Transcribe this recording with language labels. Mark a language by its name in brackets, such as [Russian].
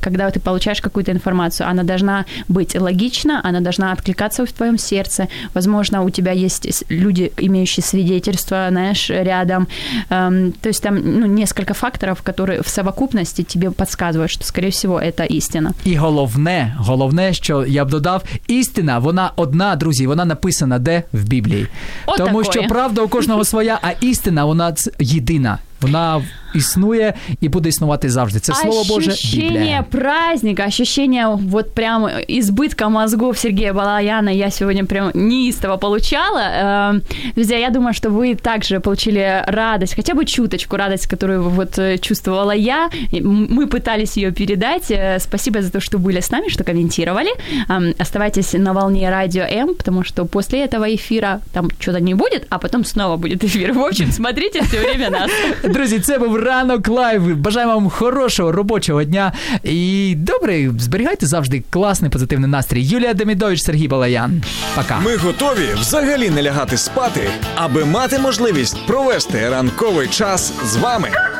[Russian] Когда ты получаешь какую-то информацию, она должна быть логична, она должна откликаться в твоем сердце. Возможно, у тебя есть люди, имеющие свидетельства, знаешь, рядом. То есть там несколько факторов, которые в совокупности тебе подсказывают, что, скорее всего, это истина. [Ukrainian] И головне, що я б додав, істина, вона одна, друзі, вона написана де? В Біблії. От тому [Russian] такое. [Ukrainian] Що правда у кожного своя, а істина, вона єдина. Вона існує і буде існувати завжди. Це слово Боже, Біблія. [Russian] Ощущение праздника, ощущение вот прямо избытка мозгов Сергея Балаяна я сегодня прям неистово получала. Друзья, я думаю, что вы также получили радость, хотя бы чуточку радость, которую вот чувствовала я. Мы пытались ее передать. Спасибо за то, что были с нами, что комментировали. Оставайтесь на волне Радио М, потому что после этого эфира там что-то не будет, а потом снова будет эфир. В общем, смотрите все время нас. [Ukrainian] Друзі, це був Ранок Лайв. Бажаю вам хорошого робочого дня. І добре, зберігайте завжди класний позитивний настрій. Юлія Демідович, Сергій Балаян. [Russian] Пока. [Ukrainian] Ми готові взагалі не лягати спати, аби мати можливість провести ранковий час з вами.